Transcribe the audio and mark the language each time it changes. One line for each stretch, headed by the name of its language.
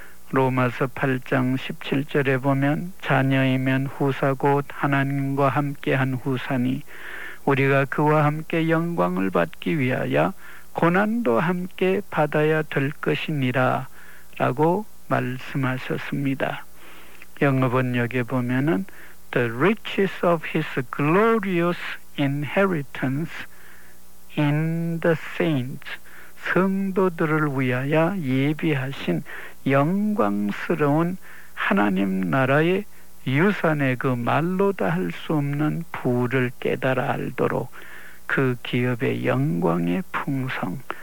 Korean: 로마서 8장 17절에 보면 자녀이면 후사 곧 하나님과 함께한 후사니 우리가 그와 함께 영광을 받기 위하여 고난도 함께 받아야 될 것이니라 라고 말씀하셨습니다. 영어 번역에 보면은
English: The riches of his glorious inheritance in the saints,
Korean: 성도들을 위하여 예비하신 영광스러운 하나님 나라의 유산의 그 말로다 할 수 없는 부를 깨달아 알도록 그 기업의 영광의 풍성.